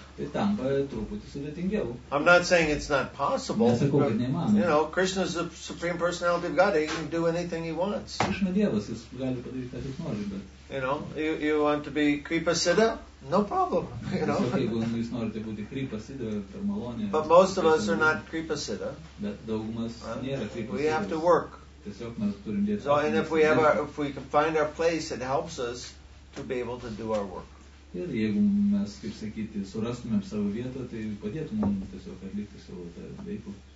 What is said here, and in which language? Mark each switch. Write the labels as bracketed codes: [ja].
[lt] Tai tampa truputį sudėtingiau. [en] I'm not saying it's not possible. [lt] Nesakau, kad neįmanoma. [en] You know, Krishna is the Supreme Personality of God. He can do anything he wants. [lt] Krishna Dievas, jis gali padaryti, ką jis nori, bet... [en] You want to be Kripa Siddha? No problem. [lt] Jūs norite būti Kripa Siddha per malonę. [en] But most of us are not Kripa Siddha. [lt] Bet daugumas nėra Kripa Siddha. [en] We have to work. [lt] Tiesiog mes turim dėti. [en] So, and if we can find our place, it helps us to be able to do our work. [lt] Ir jeigu mes, kaip sakyti, surastumėm savo vietą, tai padėtų mum tiesiog atlikti savo tą veiklą.